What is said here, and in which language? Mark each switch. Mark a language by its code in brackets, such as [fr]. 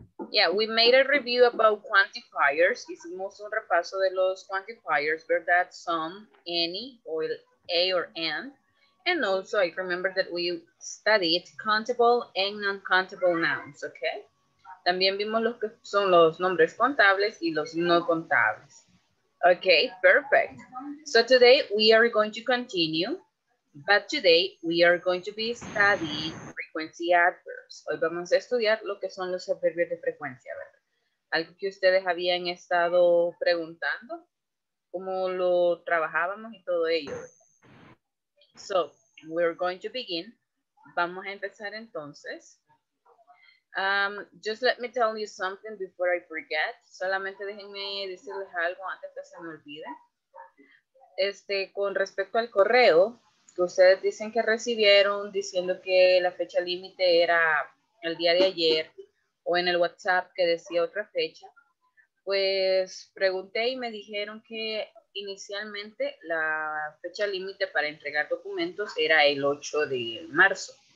[en] Yeah, we made a review about quantifiers. [es] Hicimos un repaso de los quantifiers, ¿verdad? [en] Some, any, or a or an. And also, I remember that we studied countable and non-countable nouns, okay? [es] También vimos los que son los nombres contables y los no contables. [en] Okay, perfect. So today we are going to continue, but today we are going to be studying frequency adverbs. [es] Hoy vamos a estudiar lo que son los adverbios de frecuencia, ¿verdad? Algo que ustedes habían estado preguntando, cómo lo trabajábamos y todo ello, ¿verdad? [en] So, we're going to begin. [es] Vamos a empezar entonces. [en] Just let me tell you something before I forget. [es] Solamente déjenme decirles algo antes que se me olvide. Este, con respecto al correo que ustedes dicen que recibieron diciendo que la fecha límite era el día de ayer, o en el WhatsApp que decía otra fecha, pues pregunté y me dijeron que inicialmente la fecha límite para entregar documentos era el 8 de marzo.